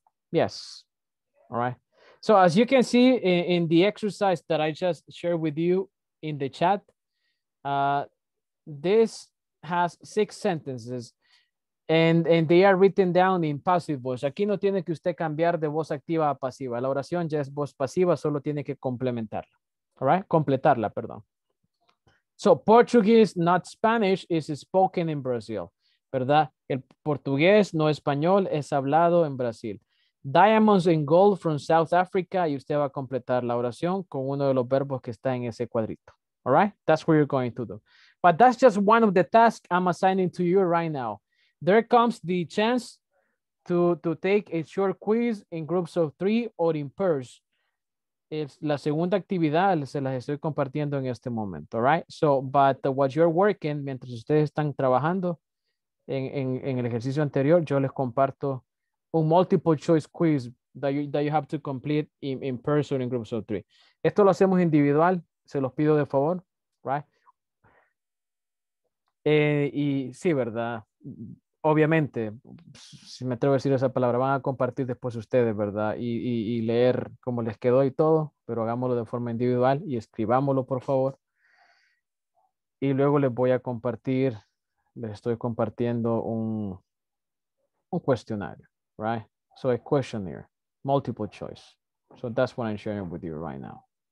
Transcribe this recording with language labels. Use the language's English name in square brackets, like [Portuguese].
[English] Yes, all right. So as you can see in the exercise that I just shared with you, in the chat, this has 6 sentences and they are written down in passive voice. [Spanish] Aquí no tiene que usted cambiar de voz activa a pasiva. La oración ya es voz pasiva, solo tiene que complementarla. [English] All right, [Spanish] completarla, perdón. [English] So Portuguese, not Spanish, is spoken in Brazil, ¿verdad? [Spanish] El portugués, no español, es hablado en Brasil. [English] Diamonds and gold from South Africa. [Spanish] Y usted va a completar la oración con uno de los verbos que está en ese cuadrito. [English] All right? That's what you're going to do. But that's just one of the tasks I'm assigning to you right now. There comes the chance to take a short quiz in groups of three or in pairs. [Spanish] Es la segunda actividad, se las estoy compartiendo en este momento. [English] All right? So, but while you're working, [Spanish] mientras ustedes están trabajando en el ejercicio anterior, yo les comparto [English] a multiple choice quiz that you have to complete in person in groups of three. [Spanish] Esto lo hacemos individual, se los pido de favor, right? Y sí, verdad, obviamente, si me atrevo a decir esa palabra, van a compartir después ustedes, ¿verdad? Y leer cómo les quedó y todo, pero hagámoslo de forma individual y escribámoslo, por favor. Y luego les voy a compartir, les estoy compartiendo un cuestionario, right? [English] So a questionnaire, multiple choice. So that's what I'm sharing with you right now.